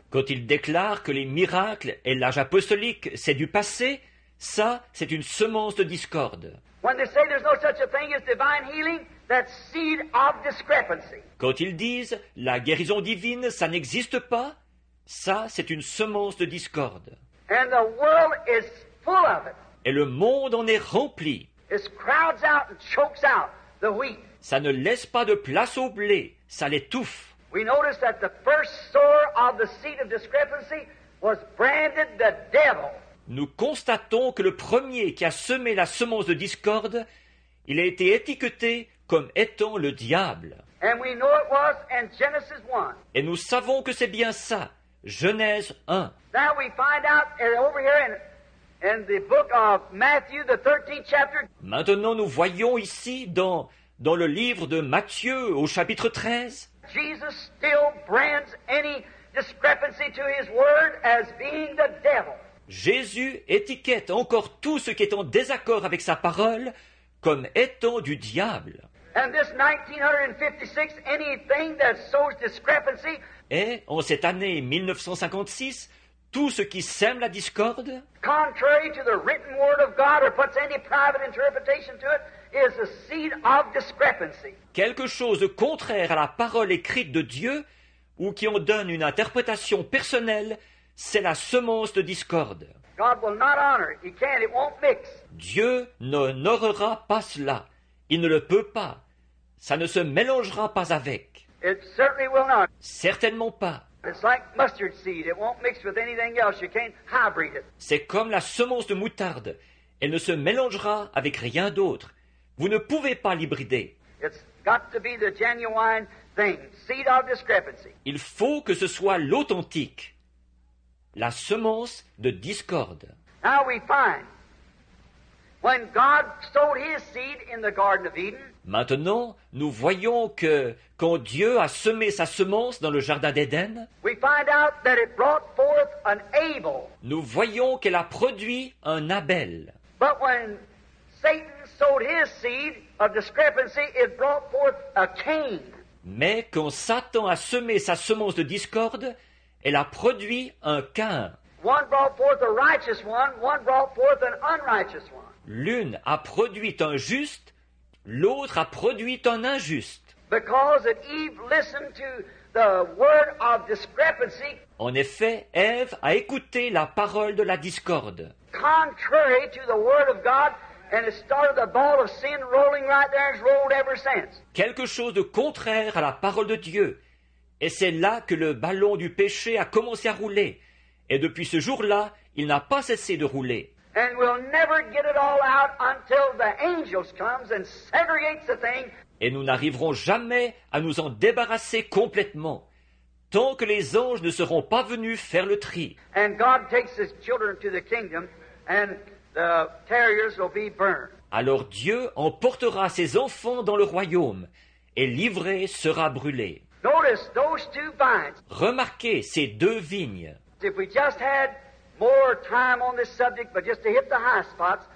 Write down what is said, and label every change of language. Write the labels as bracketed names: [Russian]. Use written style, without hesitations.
[French] Quand il déclare que les miracles et l'âge apostolique, c'est du passé, ça, c'est une semence de discorde. [English] When they say there's no such a thing as divine healing, that's seed of discrepancy. [French] Quand ils disent la guérison divine, ça n'existe pas, ça, c'est une semence de discorde. [English] And the world is full of it. [French] Et le monde en est rempli. [English] It crowds out and chokes out the wheat. [French] Ça ne laisse pas de place au blé, ça l'étouffe. [English] We notice that the first sower of the seed of discrepancy was branded the devil. [French] Nous constatons que le premier qui a semé la semence de discorde, il a été étiqueté comme étant le diable. [English] And we know it was in Genesis 1. [French] Et nous savons que c'est bien ça. Genèse 1. [English] Now we find out over here in the book of Matthew, the 13th chapter. [French] Maintenant nous voyons ici dans le livre de Matthieu au chapitre 13. [English] Jesus still brands any discrepancy to his word as being the devil. [French] Jésus étiquette encore tout ce qui est en désaccord avec sa parole comme étant du diable. [English] And this 1956, anything that sows discrepancy. [French] Et en cette année 1956, tout ce qui sème la discorde, [English] contrary to the written word of God or puts any private interpretation to it, is the seed of discrepancy. [French] Quelque chose de contraire à la parole écrite de Dieu ou qui en donne une interprétation personnelle, c'est la semence de discorde. [English] God will not honor it. He can't. It won't mix. [French] Dieu n'honorera pas cela. Il ne le peut pas. Ça ne se mélangera pas avec. [English] It certainly will not. [French] Certainement pas. [English] It's like mustard seed. It won't mix with anything else. You can't hybrid it. [French] C'est comme la semence de moutarde. Elle ne se mélangera avec rien d'autre. Vous ne pouvez pas l'hybrider. [English] It's got to be the genuine thing, seed of discrepancy. [French] Il faut que ce soit l'authentique, la semence de discorde. [English] Now we find when God sowed his seed in the Garden of Eden. [French] Maintenant, nous voyons que quand Dieu a semé sa semence dans le jardin d'Éden, [English] we find out that it brought forth an Abel. [French] Nous voyons qu'elle a produit un Abel. [English] But when Satan sowed his seed of discrepancy, it brought forth a Cain. [French] Mais quand Satan a semé sa semence de discorde, elle a produit un Cain. [English] One brought forth a righteous one, one brought forth an unrighteous one. [French] L'une a produit un juste, l'autre a produit un injuste. [English] Because that Eve listened to the word of discrepancy. [French] En effet, Ève a écouté la parole de la discorde. [English] Contrary to the word of God. And it started the ball of sin rolling right there and it's rolled ever since. [French] Quelque chose de contraire à la parole de Dieu. Et c'est là que le ballon du péché a commencé à rouler. Et depuis ce jour-là, il n'a pas cessé de rouler. [English] And we'll never get it all out until the angels come and segregate the thing. [French] Et nous n'arriverons jamais à nous en débarrasser complètement. Tant que les anges ne seront pas venus faire le tri. [English] And God takes his children to the kingdom and... The terriers will be burned. [French] Alors Dieu emportera ses enfants dans le royaume et l'ivraie sera brûlée. [English] Notice those two vines. [French] Remarquez ces deux vignes. [English] If we just had more time on this subject, but just to hit the high spots.